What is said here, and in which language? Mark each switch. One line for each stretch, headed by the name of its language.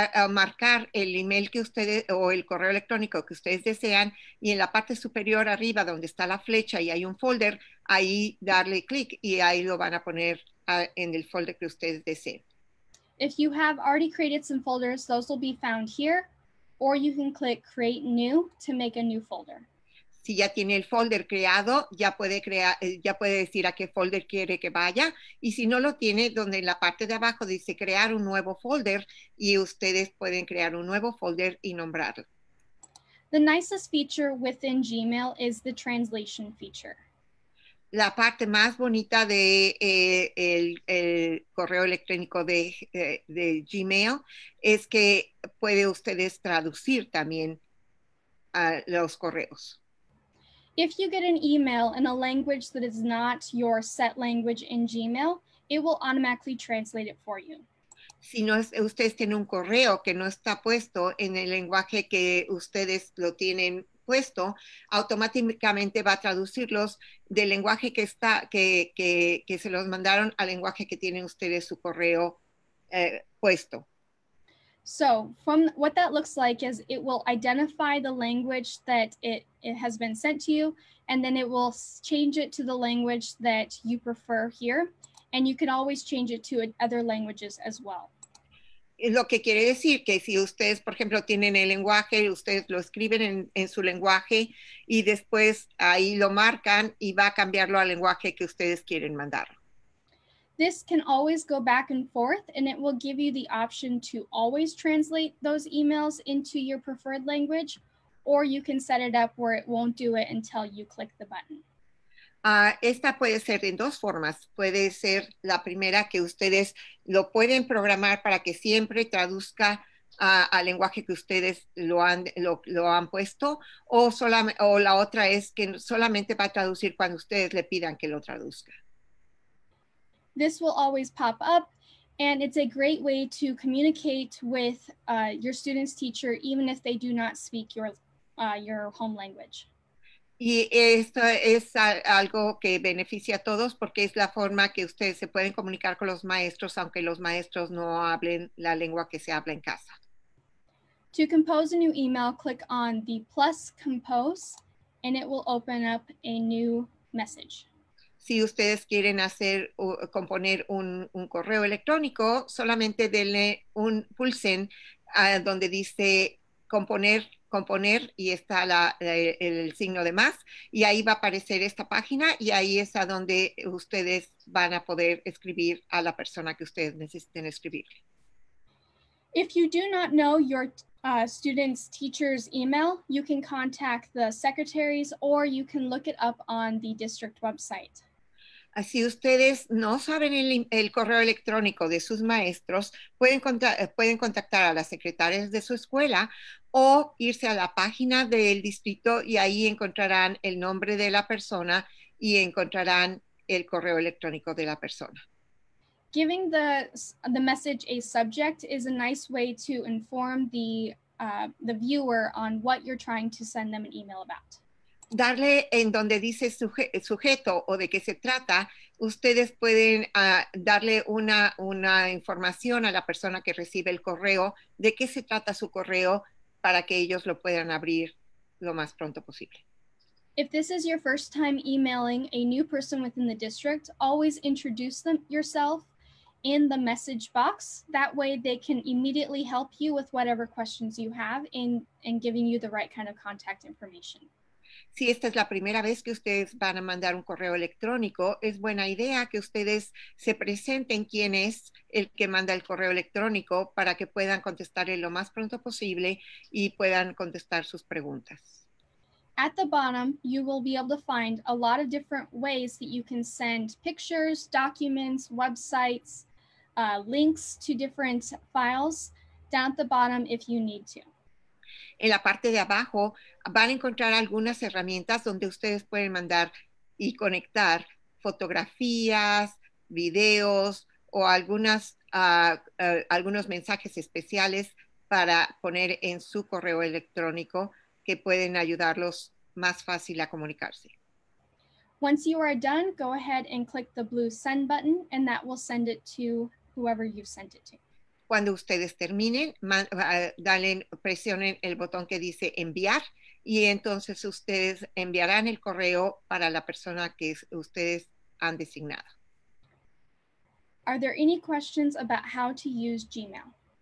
Spanish: Marcar el email que ustedes o el correo electrónico que ustedes desean, y en la parte superior arriba donde está la flecha y hay un folder, ahí darle clic y ahí lo van a poner en el folder que ustedes deseen.
English: If you have already created some folders, those will be found here, or you can click create new to make a new folder.
Spanish: Si ya tiene el folder creado, ya puede decir a qué folder quiere que vaya. Y si no lo tiene, donde en la parte de abajo dice crear un nuevo folder, y ustedes pueden crear un nuevo folder y nombrarlo.
English: The nicest feature within Gmail is the translation feature.
Spanish: La parte más bonita de el correo electrónico de Gmail es que puede ustedes traducir también los correos.
English: If you get an email in a language that is not your set language in Gmail, it will automatically translate it for you.
Spanish: Si no es, ustedes tienen un correo que no está puesto en el lenguaje que ustedes lo tienen puesto, automáticamente va a traducirlos del lenguaje que está que se los mandaron al lenguaje que tienen ustedes su correo puesto.
English: So, from what that looks like is it will identify the language that it has been sent to you, and then it will change it to the language that you prefer here, and you can always change it to other languages as well.
Spanish: Lo que quiere decir que si ustedes, por ejemplo, tienen el lenguaje, ustedes lo escriben en su lenguaje y después ahí lo marcan y va a cambiarlo al lenguaje que ustedes quieren mandar.
English: This can always go back and forth, and it will give you the option to always translate those emails into your preferred language, or you can set it up where it won't do it until you click the button.
Spanish: Esta puede ser en dos formas. Puede ser la primera que ustedes lo pueden programar para que siempre traduzca al lenguaje que ustedes lo han puesto, o la otra es que solamente va a traducir cuando ustedes le pidan que lo traduzca.
English: This will always pop up, and it's a great way to communicate with your student's teacher, even if they do not speak your home language.
Spanish: Y esto es algo que beneficia a todos porque es la forma que ustedes se pueden comunicar con los maestros, aunque los maestros no hablen la lengua que se habla en casa.
English: To compose a new email, click on the plus compose, and it will open up a new message.
Spanish: Si ustedes quieren hacer o componer un correo electrónico, solamente denle un pulsen donde dice componer y está el signo de más, y ahí va a aparecer esta página y ahí es a donde ustedes van a poder escribir a la persona que ustedes necesiten escribir.
English: If you do not know your student's teacher's email, you can contact the secretaries or you can look it up on the district website.
Spanish: Si ustedes no saben el correo electrónico de sus maestros, pueden contactar a las secretarias de su escuela o irse a la página del distrito y ahí encontrarán el nombre de la persona y encontrarán el correo electrónico de la persona.
English: Giving the message a subject is a nice way to inform the viewer on what you're trying to send them an email about.
Spanish: Darle en donde dice sujeto o de qué se trata, ustedes pueden darle una información a la persona que recibe el correo, de qué se trata su correo, para que ellos lo puedan abrir lo más pronto posible.
English: If this is your first time emailing a new person within the district, always introduce yourself in the message box. That way they can immediately help you with whatever questions you have in giving you the right kind of contact information.
Spanish: Si esta es la primera vez que ustedes van a mandar un correo electrónico, es buena idea que ustedes se presenten quién es el que manda el correo electrónico para que puedan contestarle lo más pronto posible y puedan contestar sus preguntas.
English: At the bottom, you will be able to find a lot of different ways that you can send pictures, documents, websites, links to different files down at the bottom if you need to.
Spanish: En la parte de abajo van a encontrar algunas herramientas donde ustedes pueden mandar y conectar fotografías, videos o algunos mensajes especiales para poner en su correo electrónico que pueden ayudarlos más fácil a comunicarse.
English: Once you are done, go ahead and click the blue send button and that will send it to whoever you've sent it to.
Spanish: Cuando ustedes terminen, presionen el botón que dice enviar y entonces ustedes enviarán el correo para la persona que ustedes han designado.
English: Are there any questions about how to use Gmail?